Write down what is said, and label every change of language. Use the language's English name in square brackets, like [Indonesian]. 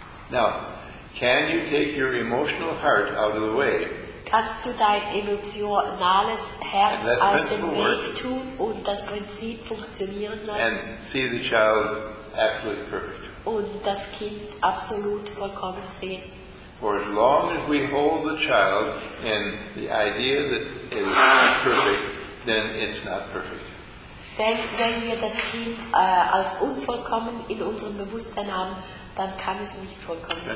[English] Now, can you take your emotional heart out of the way? [German] Kannst du dein emotionales Herz aus dem Weg tun und das Prinzip funktionieren lassen? [English] And see the child absolutely perfect. [German] Und das Kind absolut vollkommen sehen. [English] For as long as we hold the child in the idea that it is perfect, then it's not perfect. [German] Wenn wir das Kind als unvollkommen in unserem Bewusstsein haben, dann kann es nicht vollkommen sein.